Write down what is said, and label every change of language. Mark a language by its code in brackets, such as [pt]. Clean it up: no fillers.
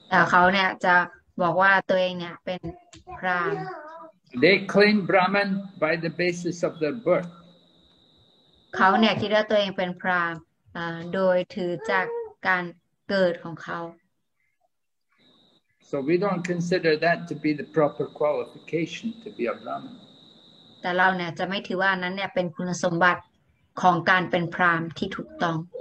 [th] เขาเนี่ยจะบอกว่าตัวเองเนี่ยเป็นพราหมณ์ [en] They claim Brahmin by the basis of their birth. [th] เขาเนี่ยคิดว่าตัวเองเป็นพราหมณ์โดยถือจากการเกิดของเขา [en] So we don't consider that to be the proper qualification to be a Brahmin. [th] แต่เราเนี่ยจะไม่ถือว่านั้นเนี่ยเป็นคุณสมบัติของการเป็นพราหมณ์ที่ถูกต้อง